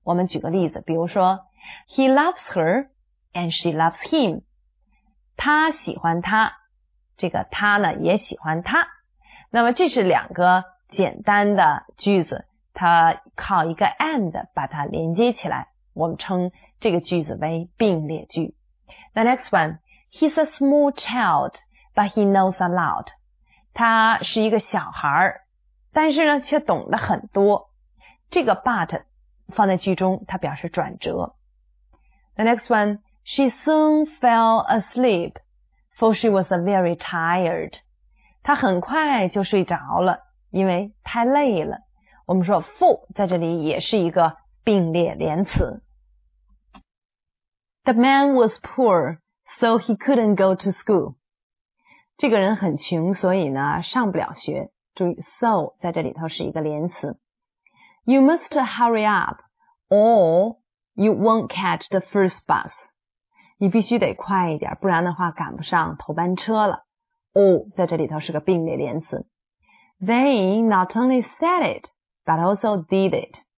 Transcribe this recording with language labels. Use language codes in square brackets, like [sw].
[zh] 我们举个例子，比如说 [en] He loves her and she loves him， [zh] 他喜欢他，这个他呢也喜欢他。那么这是两个简单的句子，它靠一个 and 把它连接起来，我们称这个句子为并列句。 [en] The next oneHe's a small child, but he knows a lot. [zh] 他是一个小孩，但是呢却懂得很多。这个 but 放在句中，它表示转折。 [en] The next one, she soon fell asleep, for she was very tired. [zh] 她很快就睡着了，因为太累了。我们说 for 在这里也是一个并列连词。 [en] The man was poor. So he couldn't go to school. [zh] 这个人很穷，所以呢上不了学。注意 so 在这里头是一个连词。 [en] You must hurry up or you won't catch the first bus. [zh] 你必须得快一点，不然的话赶不上头班车了。 Or 在这里头是个并列连词。 [en] They not only said it, but also did it.